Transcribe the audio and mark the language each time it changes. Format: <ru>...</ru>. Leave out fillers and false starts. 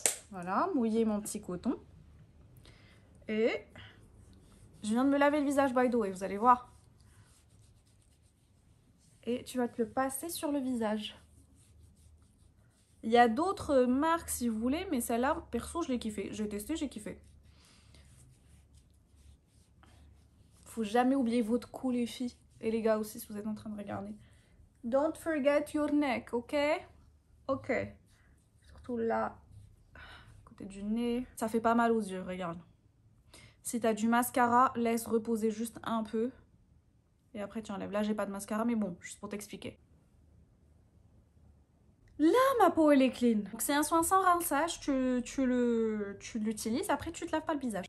<fr>Voilà, mouiller mon petit coton et je viens de me laver le visage</fr> <en>by the way,</en> <fr>vous allez voir, et tu vas te le passer sur le visage. Il y a d'autres marques si vous voulez, mais celle-là, perso, je l'ai kiffée. J'ai testé, j'ai kiffé. Faut jamais oublier votre cou, les filles. Et les gars aussi, si vous êtes en train de regarder.</fr> <en>Don't forget your neck, ok?</en> <fr>Ok. Surtout là, à côté du nez. Ça fait pas mal aux yeux, regarde. Si t'as du mascara, laisse reposer juste un peu. Et après, tu enlèves. Là, j'ai pas de mascara, mais bon, juste pour t'expliquer. Là, ma peau, elle est clean. Donc, c'est un soin sans rinçage. Tu l'utilises. Après, tu te laves pas le visage.</fr>